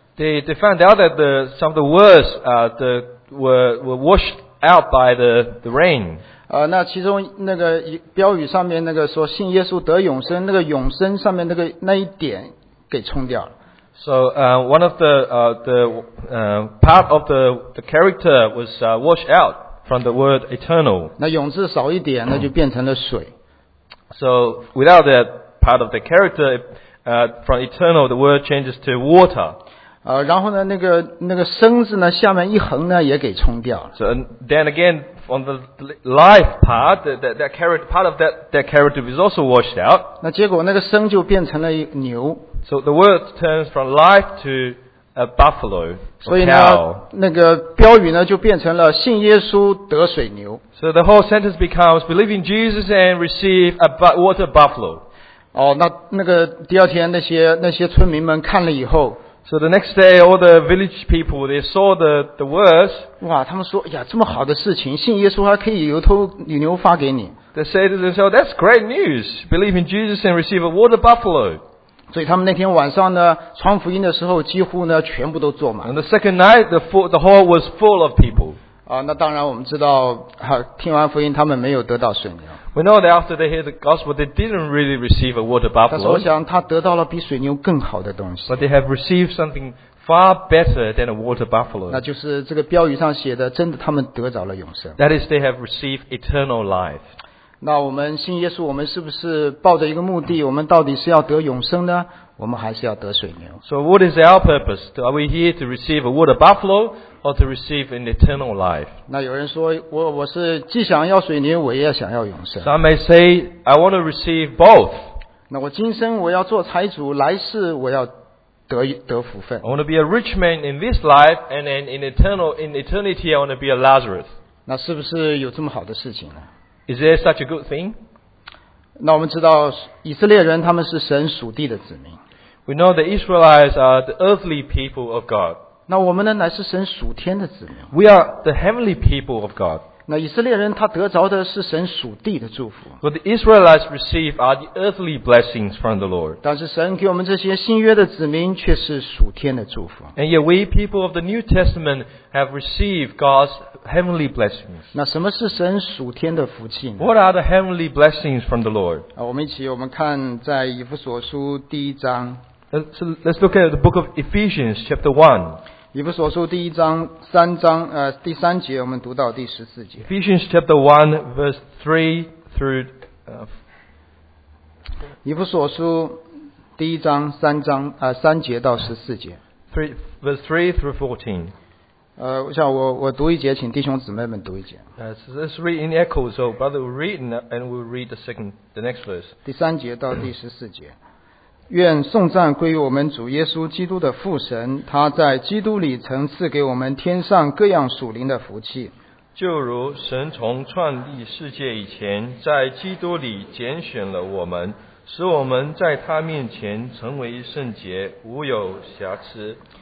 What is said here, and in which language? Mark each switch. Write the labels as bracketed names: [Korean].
[English] They found out that some of the words were washed out by the rain. [Chinese] 那其中那个标语上面那个说信耶稣得永生，那个永生上面那一点给冲掉了。 [English] So one of the part of the character was washed out from the word eternal. [Chinese] 那永字少一点，那就变成了水。 [English] So without that part of the character, from eternal, the word changes to water. [Chinese] 然后呢，那个生字呢，下面一横呢，也给冲掉了。 [English] So then again, from the life part, that character part of that character is also washed out. [Chinese] 那结果那个生就变成了牛。 [English] So the word turns from life to a buffalo, a cow. [Chinese] 所以呢，那个标语呢就变成了信耶稣得水牛。 [English] So the whole sentence becomes believe in Jesus and receive a water buffalo. [Chinese] 哦，那个第二天那些村民们看了以后。 [English] So the next day, all the village people, they saw the words. [Chinese] 哇，他们说，哎呀，这么好的事情，信耶稣还可以由头牛牛发给你。 [English] They say to themselves, that's great news. Believe in Jesus and receive a water buffalo. [Chinese] 所以他们那天晚上呢，传福音的时候，几乎呢全部都坐满。 [English] And the second night, the hall was full of people. [Chinese] 啊，那当然我们知道，哈，听完福音他们没有得到水牛。 [English] We know that after they hear the gospel, they didn't really receive a water buffalo. [Chinese] 但是我想他得到了比水牛更好的东西。 [English] But they have received something far better than a water buffalo. [Chinese] 那就是这个标语上写的，真的他们得着了永生。 [English] That is, they have received eternal life. [Chinese] 那我们信耶稣，我们是不是抱着一个目的？我们到底是要得永生呢？我们还是要得水牛？ [English] So what is our purpose? Are we here to receive a water buffalo or to receive an eternal life? [Chinese] 那有人说，我是既想要水牛，我也想要永生。 [English] Some may say, I want to receive both. [Chinese] 那我今生我要做财主，来世我要得福分。 [English] I want to be a rich man in this life, and then in eternity, I want to be a Lazarus. [Chinese] 那是不是有这么好的事情呢？ [English] Is there such a good thing? [Chinese] 那我们知道以色列人他们是神属地的子民。 [English] We know the Israelites are the earthly people of God. [Chinese] 那我们呢乃是神属天的子民。 [English] We are the heavenly people of God. [Chinese] 那以色列人他得着的是神属地的祝福。 [English] What the Israelites receive are the earthly blessings from the Lord. [Chinese] 但是神给我们这些新约的子民却是属天的祝福。 [English] And yet we people of the New Testament have received God'sHeavenly blessings. [Chinese] 那什么是神属天的福气呢？ [English] What are the heavenly blessings from the Lord? [Chinese] 我们一起，我们看在以弗所书第一章。 [English] Let's look at the book of Ephesians, chapter 1. [Chinese] 以弗所书第一章，三章，第三节，我们读到第十四节。 [English] Ephesians chapter 1, verse 3 through [Chinese] 以弗所书第一章，三章，三节到十四节。 [English] Verse 3 through 14. [Chinese] 我想我读一节，请弟兄姊妹们读一节。 [English] Let's read in echo, so brother will read and we'll read the next verse. [Chinese] 第三节到第十四节。愿颂赞归于我们主耶稣基督的父神，他在基督里曾赐给我们天上各样属灵的福气。就如神从创立世界以前，在基督里拣选了我们，使我们在他面前成为圣洁，无有瑕疵。